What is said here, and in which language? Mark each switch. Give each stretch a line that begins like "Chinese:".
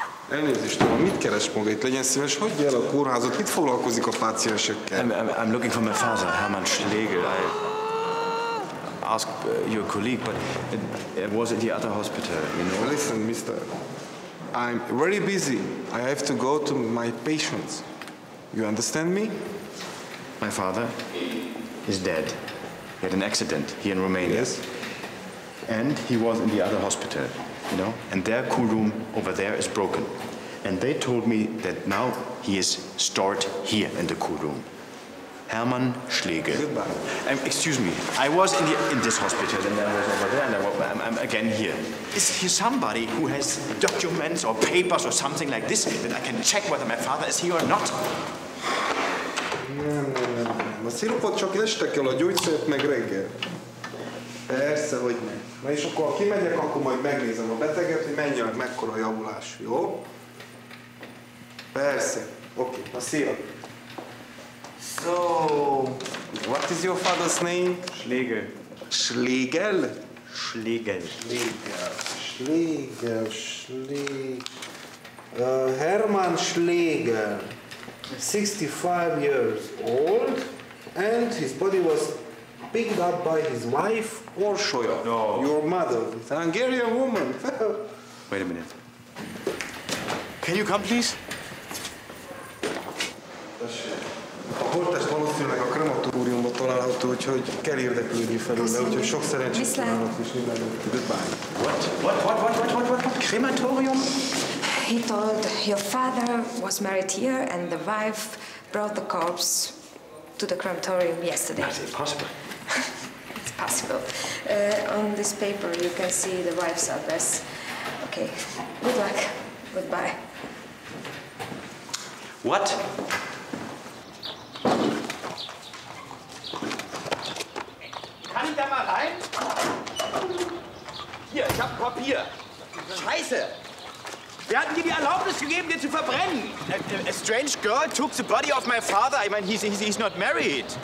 Hungarian: Elnézést, tudom, mit keres maga itt? Legyen szíves, hagyja el a kórházat, mit foglalkozik a páciensekkel?
English: I'm looking for my father, Hermann Schlegel. I ask your colleague, but it was at the other hospital, you know? Listen, mister, I'm very busy. I have to go to my patients. You understand me? My father is dead. He had an accident here in Romania. Yes. And he was in the other hospital. You know, and their cool room over there is broken. And they told me that now he is stored here in the cool room. Hermann Schlegel. Goodbye. Excuse me, I was in this hospital and then I was over there and I'm again here. Is here somebody who has documents or papers or something like this that I can check whether my father is here or not?
Hungarian: Nem. A szirupot csak este kell, a gyógyszert meg reggel. Persze, hogy nem. Na és akkor, ha kimegyek, akkor majd megnézem a beteget, hogy mennyi, mekkora javulás, jó? Persze. Oké,
English: okay.
Hungarian: Na szia.
English: So, what is your father's name? Schlegel. Schlegel? Schlegel. Schlegel. Schlegel. Hermann Schlegel. 65 years old. And his body was picked up by his wife. Or show you. No. Your mother, the Hungarian woman. Wait a minute. Can you come, please?
Hungarian: A holttest valószínűleg a krematóriumban található, úgyhogy kell érdeklődni felőle, úgyhogy sok szerencsét kívánok és mindenki.
English: Goodbye. What? Krematórium? He told your father was married here and the wife brought the corpse to the crematorium yesterday. That's impossible. Possible. On this paper you can see the wife's address. Okay. Good luck. Goodbye. What?
German: Kann ich da mal rein? Hier, ich hab Papier. Scheiße! Wir hatten dir die Erlaubnis gegeben, dir zu verbrennen.
English: A strange girl took the body of my father. I mean, he's not married.